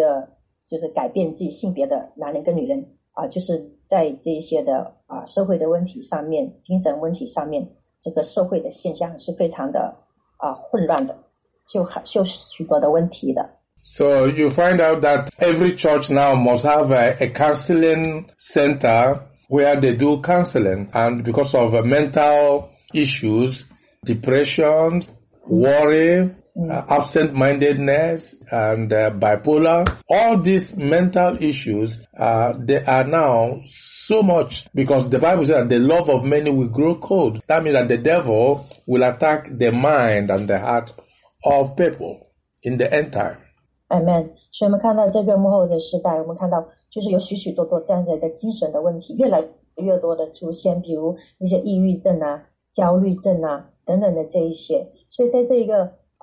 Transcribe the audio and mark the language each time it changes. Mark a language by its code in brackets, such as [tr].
[zh] 我们看到这个社会上面有许多的社会问题，就如我们看到的很多的一些的精神疾病、精神问题灵里面的问题，包括一些性的问题。我们在很多年前我们知道男女就是分明的分别的，那么现在的性别就是非常混，有这个就是改变自己性别的男人跟女人。就是在这些的社会的问题上面，精神问题上面，这个社会的现象是非常的混乱的，就很有许多的问题的。 [en] So you find out that every church now must have a counseling center where they do counseling, and because of mental issues, depression, worry, absent-mindedness and bipolar, all these mental issues, they are now so much because the Bible says that the love of many will grow cold. That means that the devil will attack the mind and the heart of people in the end time. Amen. [zh] 所以我们看到在这幕后的时代，我们看到就是有许许多多这样子的精神的问题，越来越多的出现，比如一些抑郁症啊、焦虑症啊等等的这一些。所以在这一个